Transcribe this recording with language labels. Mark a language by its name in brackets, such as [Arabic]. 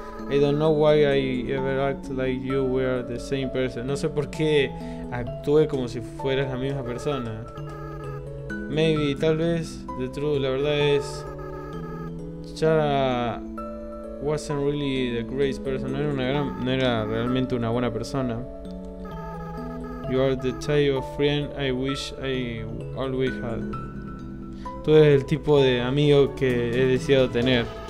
[English] I don't know why I ever act like you were the same person. [Spanish] No sé por qué actué como si fueras la misma persona. [English] Maybe, [Spanish] tal vez, [English] the truth, [Spanish] la verdad es, [English] Chara wasn't really the great person. [Spanish] No era realmente una buena persona. [English] You are the type of friend I wish I always had. [Spanish] Tú eres el tipo de amigo que he deseado tener.